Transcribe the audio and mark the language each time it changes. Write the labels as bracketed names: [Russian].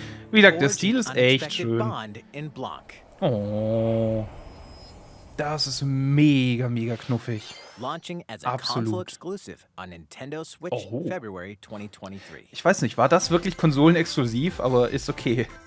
[German] Wie gesagt, der Stil ist echt schön. Oh. Das ist mega, mega knuffig. [English] Launching as a console exclusive on Nintendo Switch February 2023. [German] Ich weiß nicht, war das wirklich konsolenexklusiv, aber ist okay.